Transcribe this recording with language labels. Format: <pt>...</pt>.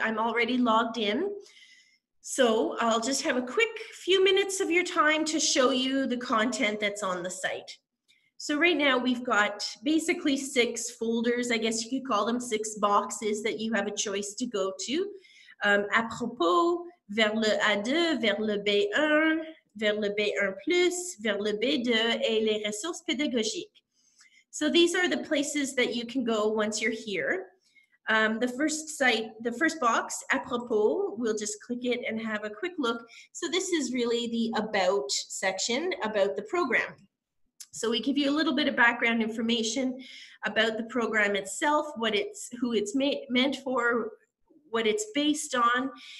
<en>I'm already logged in. So I'll just have a quick few minutes of your time to show you the content that's on the site. So right now we've got basically 6 folders, I guess you could call them 6 boxes that you have a choice to go to.</en> <fr>À propos, vers le A2, vers le B1, vers le B1+, vers le B2, et les ressources pédagogiques.</fr> <en>So these are the places that you can go once you're here. The first site, the first box, à propos, we'll just click it and have a quick look. So this is really the about section about the program. So we give you a little bit of background information about the program itself, what it's, who it's meant for, what it's based on.</en>